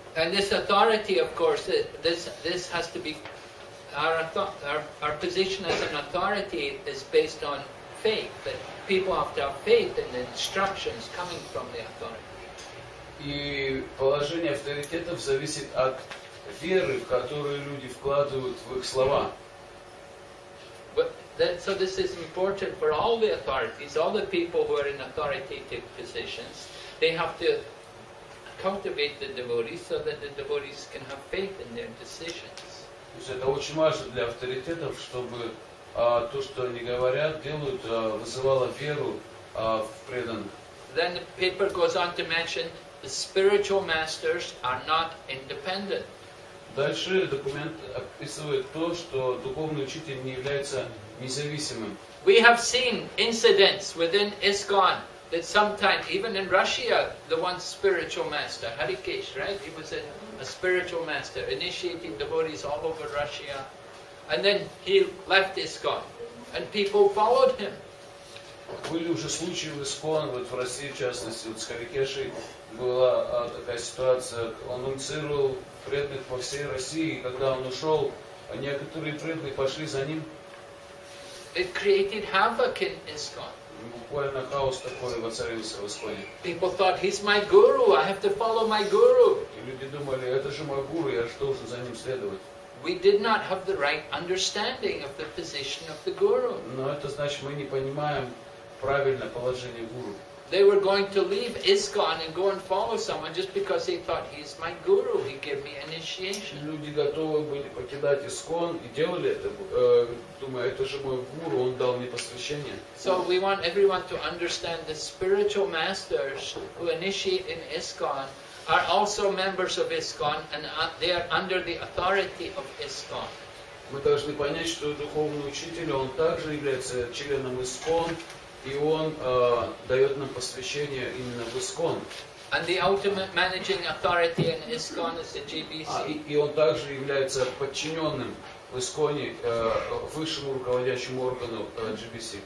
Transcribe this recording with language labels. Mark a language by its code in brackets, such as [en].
[en] And this authority, of course, this has to be our position as an authority is based on faith, that people have to have faith in the instructions coming from the authority. [ru] И положение авторитетов зависит от веры, в которую люди вкладывают в их слова. [en] But that, so this is important for all the authorities, all the people who are in authoritative positions. They have to cultivate the devotees so that the devotees can have faith in their decisions. [ru] То есть это очень важно для авторитетов, чтобы то, что они говорят, делают, вызывало веру в преданных. [en] Then the paper goes on to mention the spiritual masters are not independent. [ru] Дальше документ описывает то, что духовный учитель не является независимым. [en] We have seen incidents within ISKCON that sometimes, even in Russia, the one spiritual master, Harikesh, right? He was a spiritual master, initiating devotees all over Russia. And then he left ISKCON, and people followed him. [ru] Были уже случаи в ISKCON, вот в России, в частности, вот с Харикешей была такая ситуация, он инициировал преданных по всей России, и когда он ушел, некоторые преданные пошли за ним. [en] It created havoc in ISKCON. [ru] Буквально хаос такой воцарился в ISKCON. [en] People thought, he's my guru, I have to follow my guru. [ru] И люди думали, это же мой гуру, я же должен за ним следовать. [en] We did not have the right understanding of the position of the guru. [ru] Но это значит, мы не понимаем правильное положение гуру. [en] They were going to leave ISKCON and go and follow someone just because they thought he's my guru, he gave me initiation. [ru] Люди готовы были покидать ISKCON и делали это, думая, это же мой гуру, он дал мне посвящение. [en] So we want everyone to understand the spiritual masters who initiate in ISKCON are also members of ISKCON and they are under the authority of ISKCON. [ru] Мы должны понять, что духовный учитель, он также является членом ISKCON. И он дает нам посвящение именно в ISKCON. [en] And the ultimate managing authority in ISKCON is the GBC. [ru] И он также является подчиненным в ISKCON высшему руководящему органу GBC.